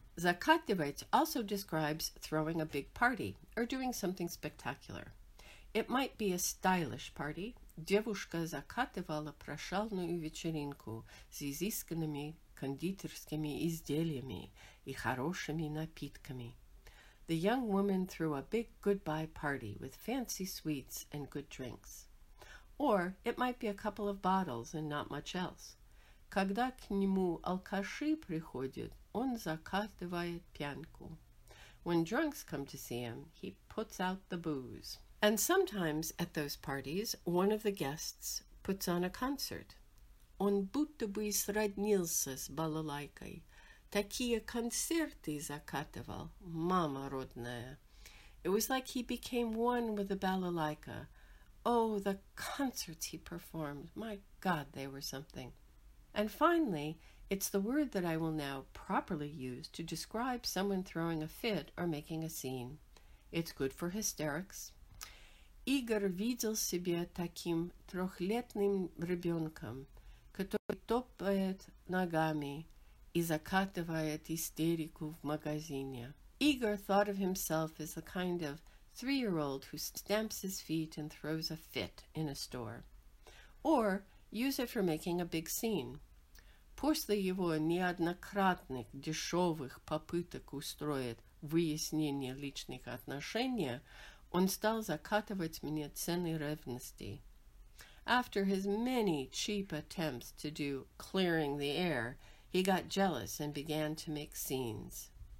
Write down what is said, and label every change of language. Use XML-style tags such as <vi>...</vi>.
<en>Закатывать also describes throwing a big party or doing something spectacular. It might be a stylish party.</en> <ru>Девушка закатывала прощальную вечеринку с изысканными кондитерскими изделиями и хорошими напитками.</ru> <en>The young woman threw a big goodbye party with fancy sweets and good drinks. Or it might be a couple of bottles and not much else.</en> <ru>Когда к нему алкаши приходят, он закатывает пьянку.</ru> <en>When drunks come to see him, he puts out the booze. And sometimes at those parties, one of the guests puts on a concert.</en> <ru>Он будто бы сроднился с балалайкой. Такие концерты закатывал, мама родная.</ru> <en>It was like he became one with the balalaika. Oh, the concerts he performed. My God, they were something. And finally, it's the word that I will now properly use to describe someone throwing a fit or making a scene. It's good for hysterics.</en> <ru>Игорь видел себя таким трехлетним ребенком, который топает ногами и закатывает истерику в магазине.</ru> <en>Игорь thought of himself as the kind of three-year-old who stamps his feet and throws a fit in a store. Or use it for making a big scene.</en> <ru>После его неоднократных дешевых попыток устроить выяснение личных отношений, он стал закатывать мне цены ревности.</ru> <en>After his many cheap attempts to do clearing the air, he got jealous and began to make scenes.</en>